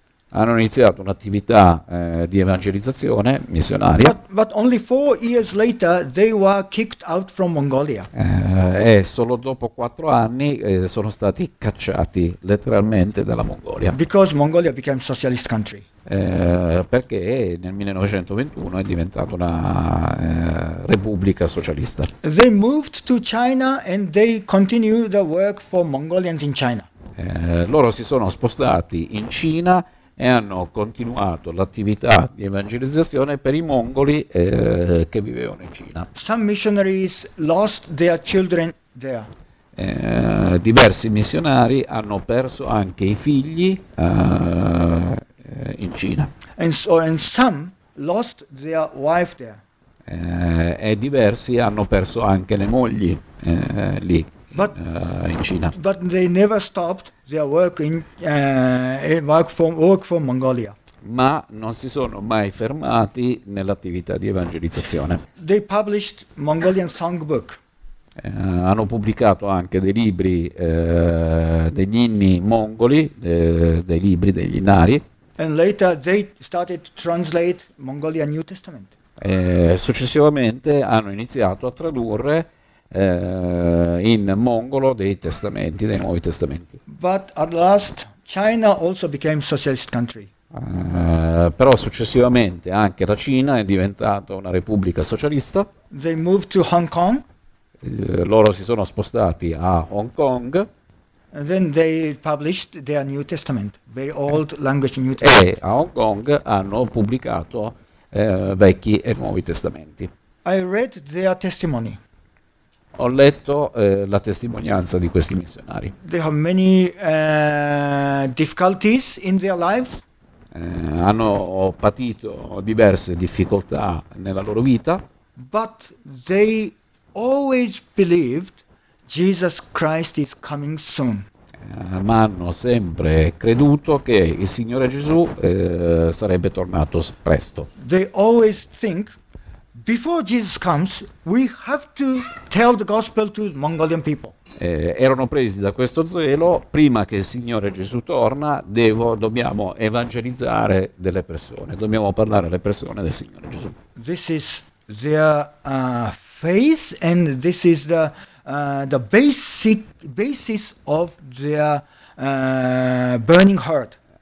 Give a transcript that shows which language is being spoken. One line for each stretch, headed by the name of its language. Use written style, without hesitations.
Italian: Hanno iniziato un'attività di evangelizzazione missionaria.
English: But only 4 years later they were kicked out from Mongolia.
Italian: E solo dopo 4 anni sono stati cacciati letteralmente dalla Mongolia.
English: Because Mongolia became socialist country.
Italian: Perché nel 1921 è diventata una repubblica socialista.
English: They moved to China and they continued the work for Mongolians in China.
Italian: Loro si sono spostati in Cina e hanno continuato l'attività di evangelizzazione per i mongoli che vivevano in Cina.
English: Some missionaries lost their children there.
Italian: Diversi missionari hanno perso anche i figli in Cina.
English: And so, and some lost their wife there.
Italian: E diversi hanno perso anche le mogli lì.
English: But,
Italian: in Cina.
English: But they never stopped their work in work for Mongolia.
Italian: Ma non si sono mai fermati nell'attività di evangelizzazione.
English: They published Mongolian songbook.
Italian: Hanno pubblicato anche dei libri degli inni mongoli, dei libri degli inari.
English: And later they started to translate Mongolian New Testament.
Italian: Successivamente hanno iniziato a tradurre in mongolo dei testamenti, dei nuovi testamenti.
English: But at last China also became socialist country.
Italian: Però successivamente anche la Cina è diventata una repubblica socialista.
English: They moved to Hong Kong.
Italian: Loro si sono spostati a Hong Kong.
English: And then they published their New Testament, very old language New Testament.
Italian: E a Hong Kong hanno pubblicato vecchi e nuovi testamenti.
English: I read their testimony.
Italian: Ho letto la testimonianza di questi missionari.
English: They have many difficulties in their lives.
Italian: Hanno patito diverse difficoltà nella loro vita.
English: But they always believed Jesus Christ is coming soon.
Italian: Ma hanno sempre creduto che il Signore Gesù sarebbe tornato presto.
English: They always think before Jesus comes, we have to tell the gospel to Mongolian people.
Italian: Erano presi da questo zelo, prima che il Signore Gesù torna, dobbiamo evangelizzare delle persone, dobbiamo parlare alle persone del Signore Gesù.
English: This is their faith and this is the basic basis of their burning heart.